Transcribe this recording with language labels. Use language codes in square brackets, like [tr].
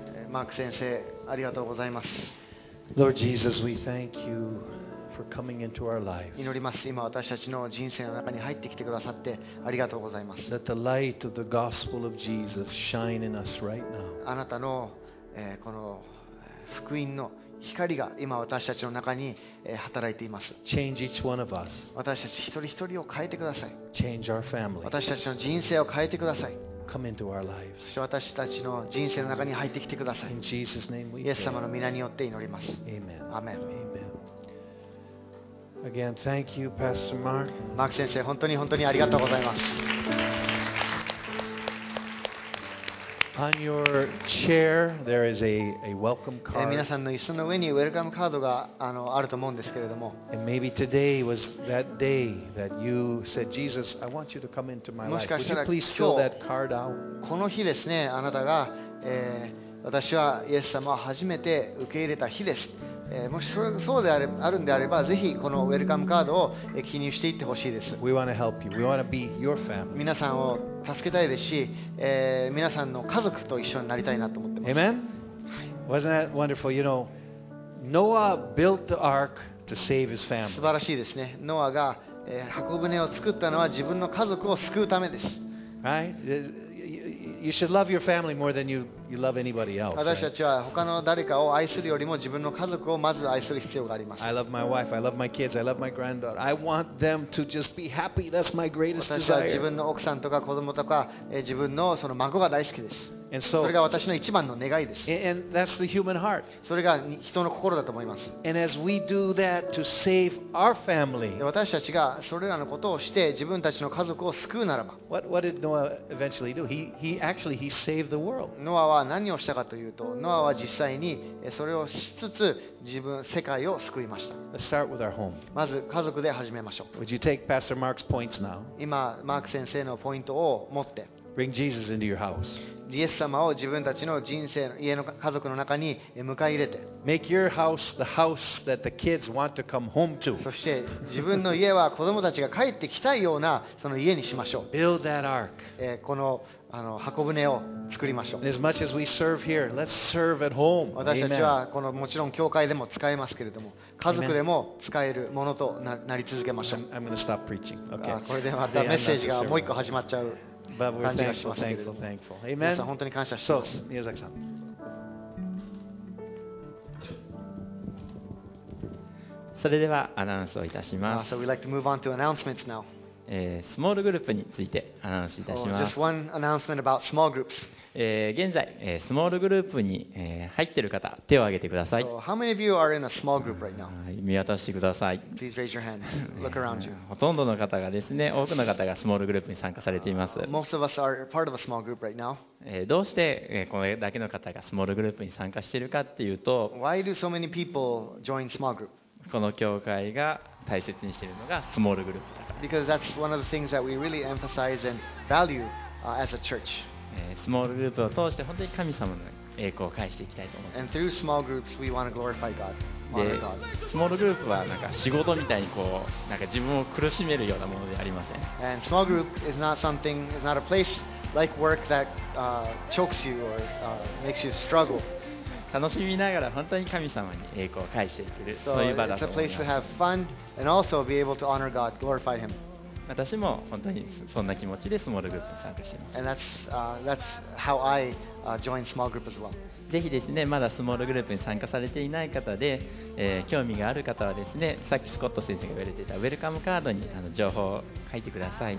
[ja] マーク先生、ありがとうございます。 [en] Lord Jesus, we thank you. For coming into our life. [ja] 祈ります。今私たちの人生の中に入ってきてくださってありがとうございます。 [en] Let the light of the gospel of Jesus shine in us right now. [ja] あなたの、この福音の光が今私たちの中に、働いています。 [en] Change each one of us. [ja] 私たち一人一人を変えてください。 [en] Change our family. [ja] 私たちの人生を変えてください。 [en] Come into our lives. [ja] そして私たちの人生の中に入ってきてください。 [en] In Jesus' name we pray. [ja] イエス様の御名によって祈ります。 [en] Amen. Amen. Amen. Again, thank you, Pastor Mark. [ja] マーク先生、本当に本当にありがとうございます。 [en] On your chair, there is a welcome card. [ja] 皆さんの椅子の上にウェルカムカードがあると思うんですけれども。 [en] And maybe today was that day that you said, Jesus, I want you to come into my life. [ja] もしかしたら、 [en] Would you please fill that card out? [ja] この日ですね、あなたが、私はイエス様を初めて受け入れた日です。もしそうであれ、あるんであれば、ぜひこのウェルカムカードを記入していってほしいです。 [en] We want to help you. We want to be your family. [ja] 皆さんを助けたいですし、皆さんの家族と一緒になりたいなと思ってます。 [en] Amen? Wasn't that wonderful? You know, Noah built the ark to save his family. [ja] 素晴らしいですね。ノアが、箱舟を作ったのは自分の家族を救うためです。 [en] Right? you should love your family more than you love anybody else. [ja] 私たちは他の誰かを愛するよりも自分の家族をまず愛する必要があります。 [en] I love my wife, I love my kids, I love my granddaughter. I want them to just be happy. That's my greatest desire. [ja] 私は自分の奥さんとか子供とか自分のその孫が大好きです。 [en] And so, [ja] それが私の一番の願いです。 [en] And that's the human heart. [ja] それが人の心だと思います。 [en] And as we do that to save our family, [ja] 私たちがそれらのことをして自分たちの家族を救うならば、 [en] What did Noah eventually do? He saved the world. [ja] ノアは何をしたかというと、ノアは実際にそれをしつつ自分世界を救いました。 [en] Let's start with our home. [ja] まず家族で始めましょう。 [en] Would you take Pastor Mark's points now? [ja] 今マーク先生のポイントを持って、 [en] Bring Jesus into your house. [ja] イエス様を自分たちの人生の家の家族の中に迎え入れて、 [en] Make your house the house that the kids want to come home to. [ja] そして自分の家は子供たちが帰ってきたいようなその家にしましょう。 [en] Build that ark. [ja] このあの箱舟を作りましょう。 [en] And as much as we serve here, let's serve at home. [ja] 私たちはこのもちろん教会でも使えますけれども、家族でも使えるものとなり続けましょう。 [en] Amen. I'm going to stop preaching. Okay. [ja] これでまたメッセージがもう一個始まっちゃう。 [en] But we're thankful, thankful, thankful. Amen. [ja] 皆さん本当に感謝します。 [en] So, 宮崎さん。 [ja] それではアナウンスをいたします。 [en] So we'd like to move on to announcements now. [ja] スモールグループについてアナウンスいたします。 [en] Just one announcement about small groups. [ja] 現在、スモールグループに入っている方、手を挙げてください。 [en] So how many of you are in a small group right now? [ja] 見渡してください。 [en] Please raise your hands. Look around you. [ja] ほとんどの方がですね、多くの方がスモールグループに参加されています。 [en] Most of us are part of a small group right now. [ja] どうしてこれだけの方がスモールグループに参加しているかっていうと、 [en] Why do so many people join small group? [ja] この教会が大切にしているのがスモールグループだから。 [en] Because that's one of the things that we really emphasize and value, as a church. [ja] スモールグループを通して本当に神様の栄光を返していきたいと思います。 [en] And through small groups, we want to glorify God. [ja] で、スモールグループはなんか仕事みたいにこうなんか自分を苦しめるようなものではありません。 [en] And small group is not something, is not a place like work that chokes you or makes you struggle. [ja] 楽しみながら本当に神様に栄光を返していける、 [en] so、 [ja] そういう場だと思います。 [en] It's a place to have fun and also be able to honor God, glorify Him. [ja] 私も本当にそんな気持ちでスモールグループに参加しています。 [en] And that's how I join small group as well. [ja] ぜひですね、まだスモールグループに参加されていない方で、興味がある方はですね、さっきスコット先生が言われていたウェルカムカードにあの情報を書いてください。